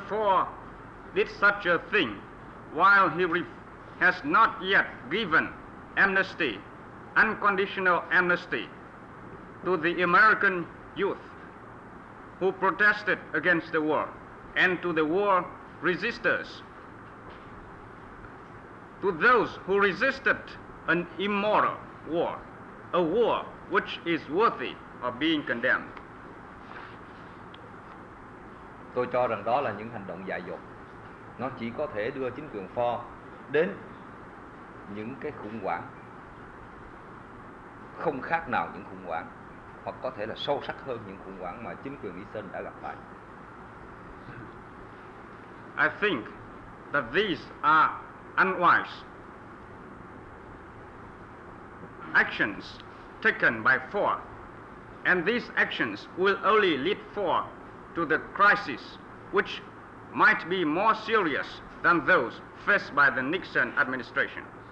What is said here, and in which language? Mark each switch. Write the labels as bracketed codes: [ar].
[en] Ford did such a thing while he has not yet given amnesty, unconditional amnesty, to the American youth who protested against the war, and to the war resisters, to those who resisted an immoral war, a war which is worthy of being condemned. [vi] Tôi cho rằng đó là những hành động dại dột. Nó chỉ có thể đưa chính quyền Ford đến những cái khủng hoảng không khác nào những khủng hoảng, hoặc có thể là sâu sắc hơn những khủng hoảng mà chính quyền Nixon đã gặp phải. [en] I think that these are unwise actions taken by Ford, and these actions will only lead Ford to the crisis which might be more serious than those faced by the Nixon administration.